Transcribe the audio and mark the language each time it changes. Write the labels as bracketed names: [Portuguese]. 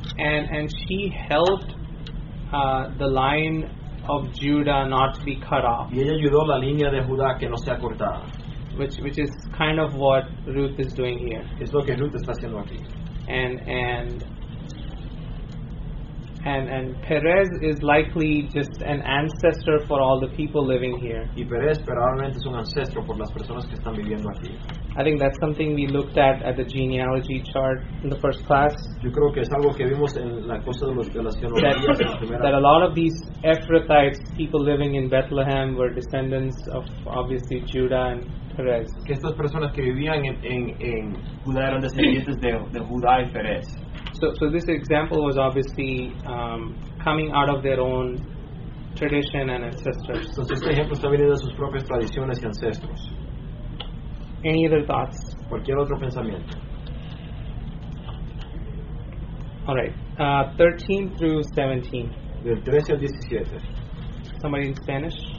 [English] And she helped the line of Judah not to be cut off. [Spanish] Y ella ayudó la línea de Judá que no sea cortada. [English] Which is kind of what Ruth is doing here. [Spanish] Es lo que Ruth está haciendo aquí. [English] And And Perez is likely just an ancestor for all the people living here. [Spanish] Y Perez probablemente es un ancestro por las personas que están viviendo aquí. [English] I think that's something we looked at the genealogy chart in the first class. [Spanish] Yo creo que es algo que vimos en la cosa de los de las genealogías en la primera. [English] That a lot of these Ephrathites, people living in Bethlehem, were descendants of obviously Judah and Perez. [Spanish] Que estas personas que vivían en Judá eran descendientes de Judá y Perez. [English] So this example was obviously coming out of their own tradition and ancestors. [Spanish] Entonces este ejemplo está viniendo de sus propias tradiciones y ancestros. [English] Any other thoughts? [Spanish] Cualquier otro pensamiento. [English] All right, 13 through 17. [Spanish] Del 13 al 17. [English] Somebody in Spanish?